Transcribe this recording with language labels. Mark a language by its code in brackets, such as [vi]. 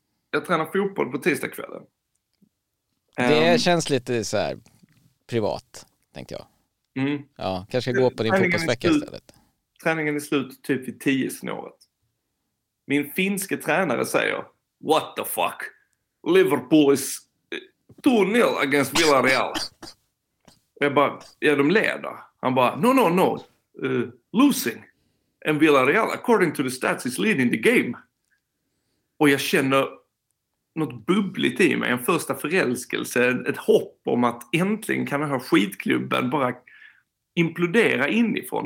[sv] Jag tränar fotboll på tisdag kvällen. Det känns lite så här privat, tänkte jag. Ja, kanske gå på din fotbollsvecka istället. Träningen är slut typ i 10-snåret. Min finske tränare säger, [en] what the fuck? Liverpool is 2-0 against Villarreal. [sv] Jag bara, är de leder? Han bara, [en] no. Losing. And Villarreal, according to the stats, is leading the game. [sv] Och jag känner något bubbligt i mig. En första förälskelse. Ett hopp om att äntligen kan den här skitklubben bara implodera inifrån.